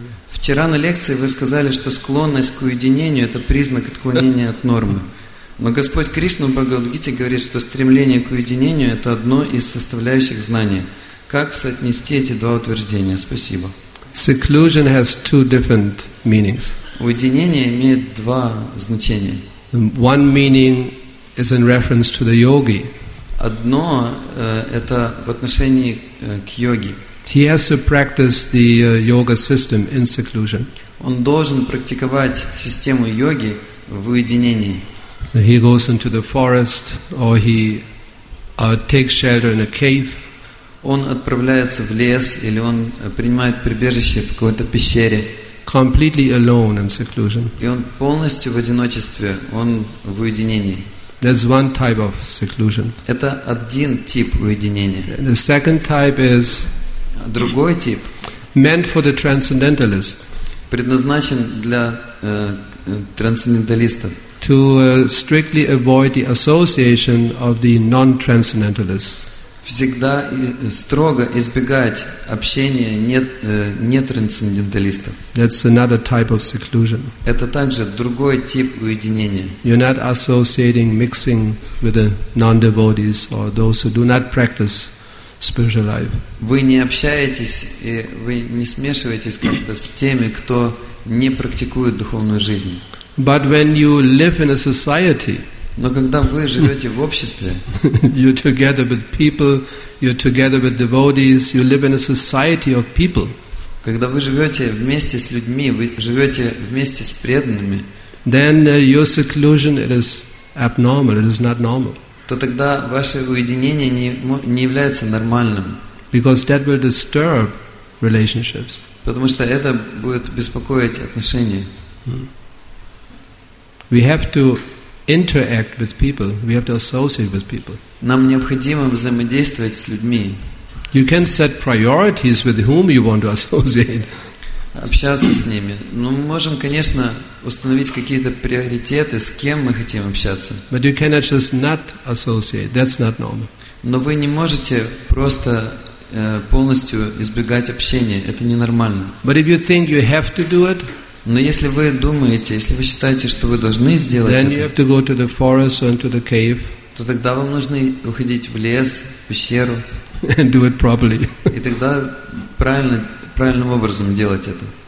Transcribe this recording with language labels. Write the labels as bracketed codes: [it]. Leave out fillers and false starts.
[ru] Вчера на лекции вы сказали, что склонность к уединению — это признак отклонения от нормы. Но Господь Кришна в Бхагавад-гите говорит, что стремление к уединению – это одно из составляющих знания. Как соотнести эти два утверждения? Спасибо. [en] Seclusion has two different meanings. [ru] Уединение имеет два значения. [en] One meaning is in reference to the yogi. [ru] Одно – это в отношении к йоге. [en] He has to practice the yoga system in seclusion. [ru] Он должен практиковать систему йоги в уединении. [en] He goes into the forest, or he takes shelter in a cave. [ru] Он отправляется в лес, или он принимает прибежище в какой-то пещере. [en] Completely alone in seclusion. [ru] И он полностью в одиночестве, он в уединении. [en] There's one type of seclusion. [ru] Это один тип уединения. [en] The second type is [ru] другой тип. [en] Meant for the transcendentalist. [ru] Предназначен для трансценденталистов. [en] To strictly avoid the association of the non-transcendentalists. [ru] Всегда строго избегать общения нетрансценденталистов. [en] That's another type of seclusion. [ru] Это также другой тип уединения. [en] You're not associating, mixing with the non-devotees or those who do not practice spiritual life. [ru] Вы не общаетесь и вы не смешиваетесь как-то с теми, кто не практикует духовную жизнь. [en] But when you live in a society, [ru] но когда вы живете в обществе, [en] you're together with people, you're together with devotees, you live in a society of people. [ru] Когда вы живете вместе с людьми, вы живете вместе с преданными, [en] then your seclusion it is abnormal, it is not normal. [ru] То тогда ваше уединение не является нормальным. [en] Because that will disturb relationships. [ru] Потому что это будет беспокоить отношения. [en] We have to interact with people. We have to associate with people. [ru] Нам необходимо взаимодействовать с людьми. [en] You can set priorities with whom you want to associate. [ru] Общаться с ними. Но мы можем, конечно, установить какие-то приоритеты, с кем мы хотим общаться. [en] But you cannot just not associate. That's not normal. [ru] Но вы не можете просто полностью избегать общения. Это ненормально. [en] But if you think you have to do it, [ru] но если вы думаете, если вы считаете, что вы должны сделать [en] then you have to go to the forest or into the cave, [ru] то тогда вам нужно уходить в лес, в пещеру. And do it properly. И тогда правильно, правильным образом делать это.